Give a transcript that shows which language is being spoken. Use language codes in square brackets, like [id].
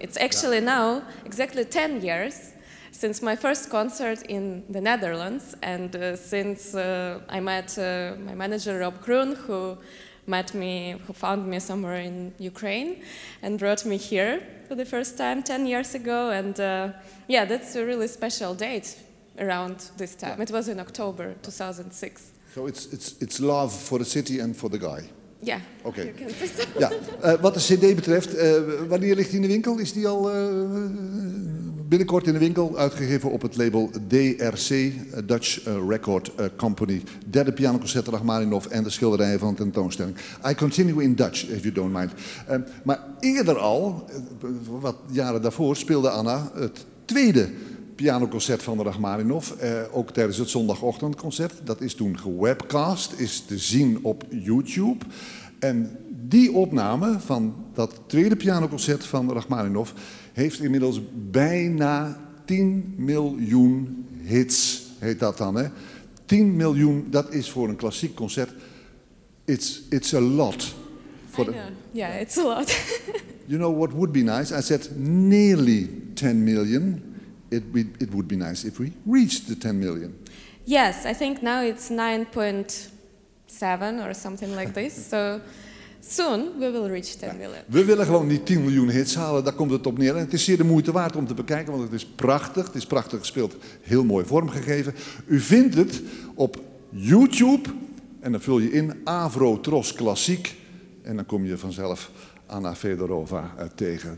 [en] It's actually now exactly 10 years. Since my first concert in the Netherlands, and since I met my manager Rob Grun, who found me somewhere in Ukraine, and brought me here for the first time 10 years ago, and yeah, that's a really special date around this time. Yeah. It was in October 2006. So it's love for the city and for the guy. [nl] Ja. Oké. Ja. Wat de CD betreft, wanneer ligt die in de winkel? Is die al binnenkort in de winkel uitgegeven op het label DRC, Dutch Record Company. Derde pianoconcert Rachmaninov en de schilderijen van de tentoonstelling. [en] I continue in Dutch, if you don't mind. [nl] Maar eerder al, wat jaren daarvoor, speelde Anna het tweede pianoconcert van de Rachmaninov, ook tijdens het zondagochtendconcert. Dat is toen gewebcast, is te zien op YouTube. En die opname van dat tweede pianoconcert van Rachmaninov heeft inmiddels bijna 10 miljoen hits, heet dat dan, hè? 10 miljoen, dat is voor een klassiek concert, [en] it's a lot. Yeah, it's a lot. You know what would be nice? I said nearly 10 million. It would be nice if we reached the 10 million. Yes, I think now it's 9.7 or something like this. So soon we will reach 10 million. [nl] We willen gewoon die 10 miljoen hits halen, daar komt het op neer. En het is zeer de moeite waard om te bekijken, want het is prachtig gespeeld, heel mooi vormgegeven. U vindt het op YouTube en dan vul je in Avro Tros Klassiek en dan kom je vanzelf Anna Fedorova tegen.